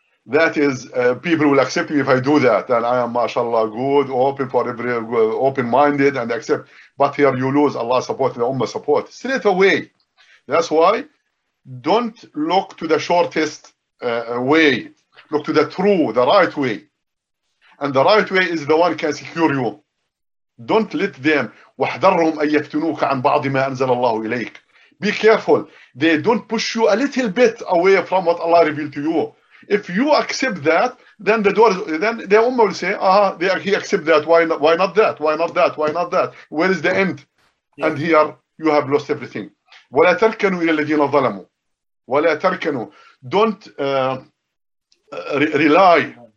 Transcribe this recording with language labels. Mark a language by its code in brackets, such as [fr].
[en] That is, people will accept me if I do that. And I am, mashallah, good, open for every, open-minded and accept. But here you lose Allah's support, the Ummah support. Straight away. That's why don't look to the shortest way. Look to the true, the right way. And the right way is the one can secure you. Don't let them [ar] وَحْذَرْهُمْ أَن يَفْتُنُوكَ عَنْ بَعْضِ مَا أَنزَلَ اللَّهُ إِلَيْكَ. [en] Be careful. They don't push you a little bit away from what Allah revealed to you. If you accept that, then the door, then the Ummah will say, he accept that. Why not that? Why not that? Why not that? Where is the end? Yeah. And here, you have lost everything. [ar] وَلَا تَرْكَنُوا إِلَى الَّذِينَ ظَلَمُوا. وَلَا تَرْكَنُوا. [en] Don't rely.